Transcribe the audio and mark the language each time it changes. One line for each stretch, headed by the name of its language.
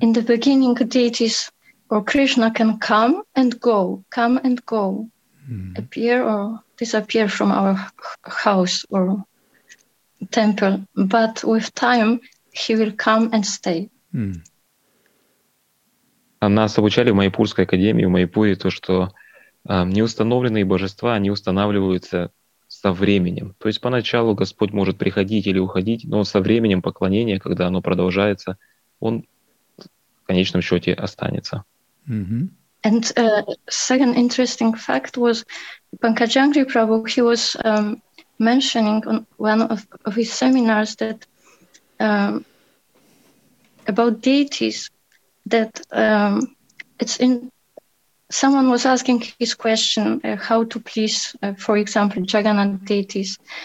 English: In the beginning, deities or Krishna can come and go, mm-hmm. appear or disappear from our house or temple. But with time, he will come and stay. Mm-hmm.
Russian: А нас обучали в Майпурской академии, в Майпуре, то, что неустановленные божества, они устанавливаются со временем. То есть поначалу Господь может приходить или уходить, но со временем поклонения, когда оно продолжается, он в конечном счете останется. Mm-hmm.
English: And second interesting fact was Pankajangri Prabhu, he was mentioning on one of his seminars that about deities, that it's in someone was asking his question, how to please, for example, Jagannath deities.